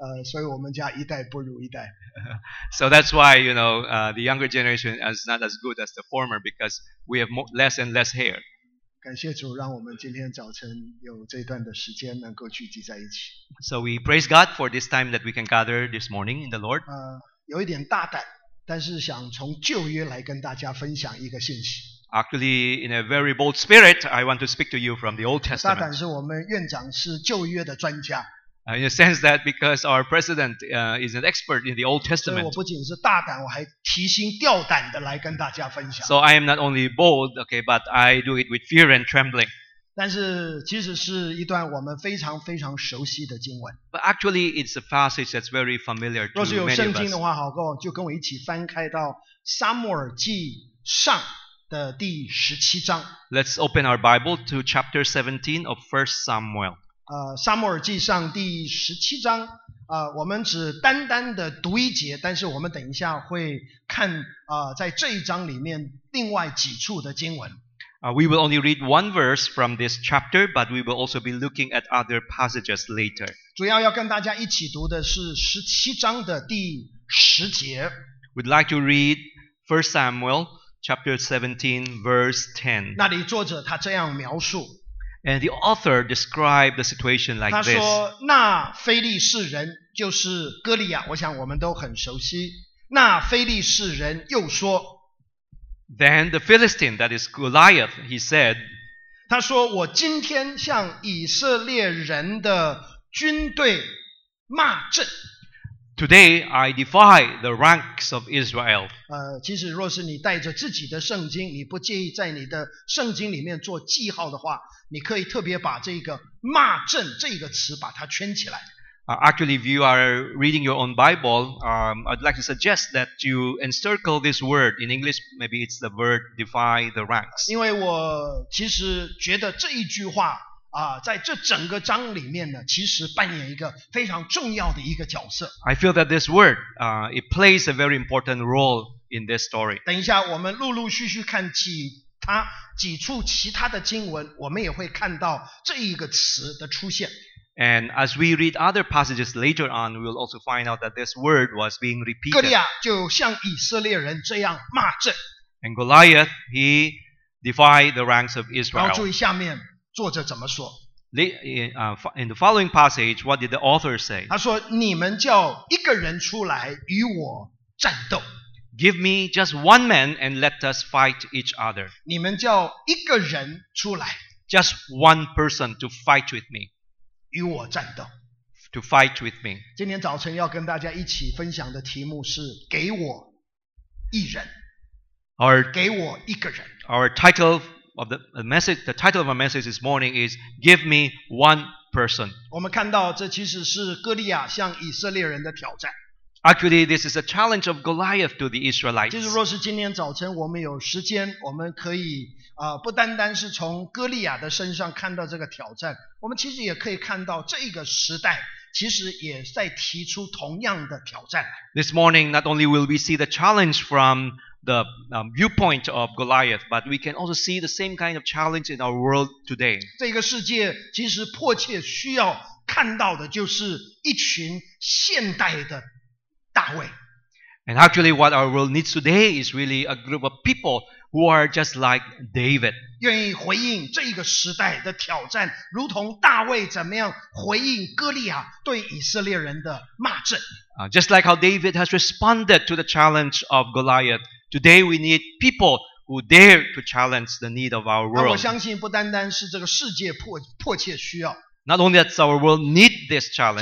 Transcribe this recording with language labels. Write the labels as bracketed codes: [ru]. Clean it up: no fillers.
[zh] 所以我们家一代不如一代。 [en] So that's why, you know, the younger generation is not as good as the former because we have less and less hair. [zh] 感谢主让我们今天早晨有这段的时间能够聚集在一起。 [en] So we praise God for this time that we can gather this morning in the Lord. [zh] 有一点大胆，但是想从旧约来跟大家分享一个信息。 [en] Actually, in a very bold spirit, I want to speak to you from the Old Testament. [zh] 大胆是我们院长是旧约的专家。 [en] In a sense that because our president is an expert in the Old Testament. [zh] 所以我不仅是大胆，我还提心吊胆的来跟大家分享。 [en] So I am not only bold, okay, but I do it with fear and trembling. [zh] 但是其实是一段我们非常非常熟悉的经文。 [en] But actually, it's a passage that's very familiar to many of us. [zh] 若是有圣经的话，好够，就跟我一起翻开到撒母耳记上。第十七章。 [en] Let's open our Bible to chapter 17 of 1 Samuel. [zh] 撒母耳记上第十七章，我们只单单的读一节，但是我们等一下会看在这一章里面另外几处的经文。 [en] We will only read one verse from this chapter, but we will also be looking at other passages later. [zh] 主要要跟大家一起读的是十七章的第十节。 [en] We'd like to read 1 Samuel. Chapter 17, verse 10. [zh] 那里作者他这样描述。 [en] And the author described the situation like this. [zh] 他说，那非利士人就是哥利亚，我想我们都很熟悉。那非利士人又说。 [en] Then the Philistine, that is Goliath, he said. [zh] 他说，我今天向以色列人的军队骂阵。 [en] Today I defy the ranks of Israel. [zh] 其实若是你带着自己的圣经，你不介意在你的圣经里面做记号的话，你可以特别把这个骂阵这个词把它圈起来。 [en] Actually, if you are reading your own Bible, I'd like to suggest that you encircle this word in English. Maybe it's the word defy the ranks. [zh] 因为我其实觉得这一句话在这整个章里面呢，其实扮演一个非常重要的一个角色。 [en] I feel that this word, it plays a very important role in this story. [zh] 等一下，我们陆陆续续看几处其他的经文，我们也会看到这一个词的出现。 [en] And as we read other passages later on, we will also find out that this word was being repeated. [zh] 哥利亚就像以色列人这样骂阵。 [en] And Goliath, he defied the ranks of Israel. [zh] 然后注意下面。作者怎么说 [en] In the following passage, what did the author say? [zh] 他说你们叫一个人出来与我战斗。 [en] Give me just one man and let us fight each other. [zh] 你们叫一个人出来。 [en] Just one person to fight with me. [zh] 与我战斗。 [en] To fight with me. [zh] 今天早晨要跟大家一起分享的题目是给我一人。给我一个人。 [en] Our title of the message, the title of our message this morning is "Give me one person." [zh] 我们看到这其实是哥利亚向以色列人的挑战。 [en] Actually, this is a challenge of Goliath to the Israelites. [zh] 其实，若是今天早晨我们有时间，我们可以不单单是从哥利亚的身上看到这个挑战，我们其实也可以看到这个时代其实也在提出同样的挑战。 [en] This morning, not only will we see the challenge from the viewpoint of Goliath, but we can also see the same kind of challenge in our world today. [zh] 这个世界其实迫切需要看到的就是一群现代的大卫。 [en] And actually what our world needs today is really a group of people who are just like David. [zh] 愿意回应这个时代的挑战，如同大卫怎么样回应哥利亚对以色列人的骂阵。 [en] Just like how David has responded to the challenge of Goliath, today we need people who dare to challenge the need of our world. [zh] 我相信不单单是这个世界 迫切需要。 [en] Not only does our world need this challenge.